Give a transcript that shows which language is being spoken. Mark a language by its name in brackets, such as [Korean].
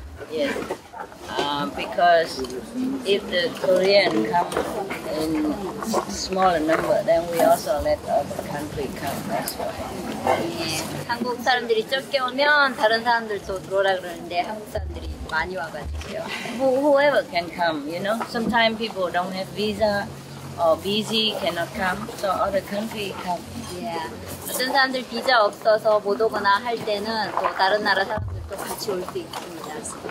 [English] Yes. Because if the Korean come in smaller number, then we also let other country come. That's why. [Korean] 한국 사람들이 적게 오면 다른 사람들도 들어오라 그러는데 한국 사람들이 많이 와가지고요. [English] Whoever can come, you know. Sometimes people don't have visa or busy cannot come, so other country come. Yeah. [Korean] 어떤 사람들 비자 없어서 못 오거나 할 때는 또 다른 나라 사람들도 같이 올 수 있습니다.